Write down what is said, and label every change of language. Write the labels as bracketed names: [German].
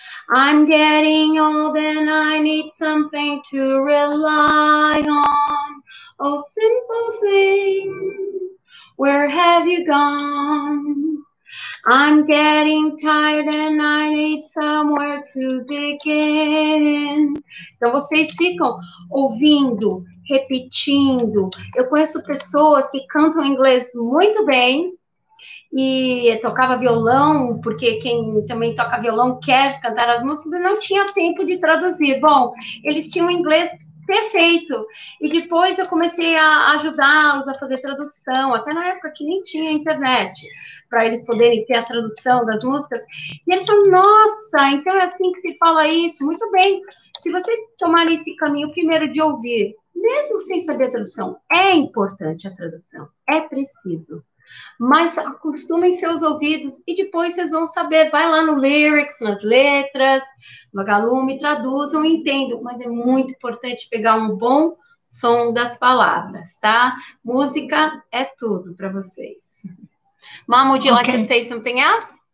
[English] I'm getting old and I need something to rely on. Oh simple thing, where have you gone? I'm getting tired and I need somewhere to begin. [Portuguese] Então vocês ficam ouvindo, repetindo. Eu conheço pessoas que cantam inglês muito bem e tocava violão, porque quem também toca violão quer cantar as músicas, não tinha tempo de traduzir. Bom, eles tinham inglês perfeito. E depois eu comecei a ajudá-los a fazer tradução, até na época que nem tinha internet, para eles poderem ter a tradução das músicas. E eles falam, nossa, então é assim que se fala isso. Muito bem. Se vocês tomarem esse caminho primeiro de ouvir, mesmo sem saber a tradução, é importante a tradução, é preciso. Mas acostumem seus ouvidos e depois vocês vão saber. Vai lá no lyrics, nas letras, vagalume, traduzam, entendam. Mas é muito importante pegar um bom som das palavras, tá? Música é tudo para vocês. [English] Mom, would you like to say something else?